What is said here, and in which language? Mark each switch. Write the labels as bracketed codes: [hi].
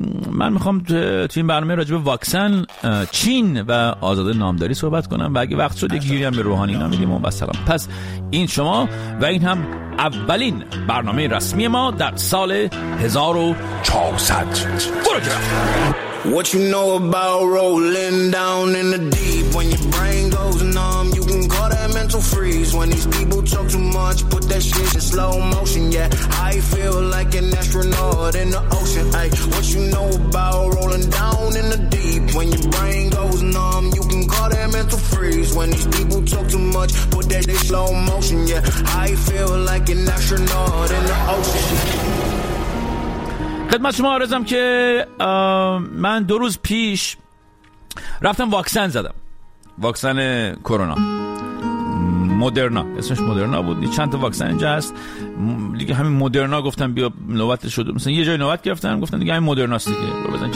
[fa] من میخوام تو این برنامه راجب واکسن چین و آزاده نامداری صحبت کنم و اگه وقت شد یک گیری هم به روحانی نامیدیم و بسلام. پس این شما و این هم اولین برنامه رسمی ما در سال 1400. برو جا. [en] What you know about rolling down in the deep when your brain goes numb, you can call that mental freeze. When these people talk too much, put that shit in slow motion. Yeah, I feel like an astronaut in the ocean. Ay, what you know about rolling down in the deep when your brain goes numb, you can call that mental freeze. When these people talk too much, put that shit in slow motion. Yeah, I feel like an astronaut in the ocean. [fa] خدمت شما عرضم که من دو روز پیش رفتم واکسن زدم، واکسن کرونا، مدرنا، اسمش مدرنا بود. چند تا واکسن اینجا هست دیگه، همین مدرنا گفتم بیا نوبت شد، مثلا یه جای نوبت گرفتم گفتن دیگه همین مدرناست دیگه برو بزن.